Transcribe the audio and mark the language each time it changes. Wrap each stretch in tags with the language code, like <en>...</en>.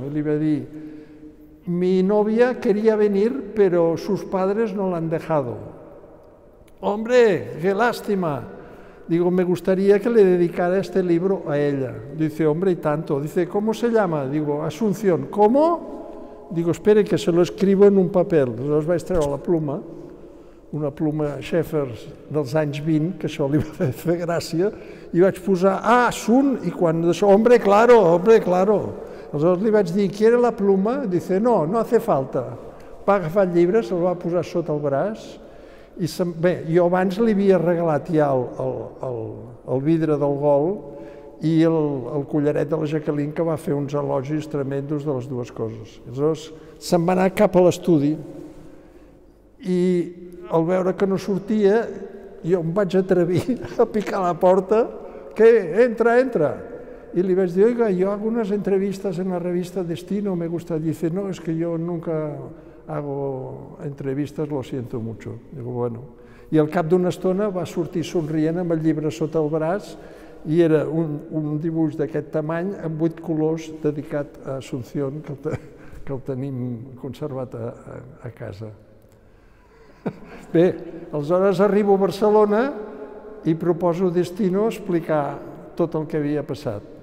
<ca>I li va dir,</ca> <es>mi novia quería venir, pero sus padres no l'han dejado. Hombre, qué lástima. Digo, me gustaría que le dedicara este libro a ella. Dice, hombre, y tanto. Dice, ¿cómo se llama? Digo, Asunción. ¿Cómo? Digo, espere, que se lo escribo en un papel.</es> <ca>Llavors vaig treure la pluma, una pluma Schaeffers dels anys 20, que això li va fer gràcia, i vaig posar, ah, Sun, i quan d'això,</ca> <es>hombre, claro, hombre, claro.</es> <ca>Aleshores li vaig dir,</ca> <es>¿quiere la pluma? Dice, no, no hace falta.</es> <ca>Va agafar el llibre, se'l va posar sota el braç, i bé, jo abans li havia regalat ja el vidre del Gol i el collaret de la Jacqueline, que va fer uns elogis tremendos de les dues coses. Aleshores se'n va anar cap a l'estudi, i al veure que no sortia, jo em vaig atrevir a picar la porta, que entra, entra. I li vaig dir, oiga, jo hago unes entrevistes en la revista Destino,</ca> <es>me gusta. Dice, no, es que yo nunca hago entrevistas, lo siento mucho. Digo, bueno.</es> <ca>I al cap d'una estona va sortir somrient amb el llibre sota el braç i era un dibuix d'aquest tamany amb 8 colors dedicat a Asunción, que el tenim conservat a casa. Bé, aleshores arribo a Barcelona i proposo Destino explicar tot el que havia passat.</ca>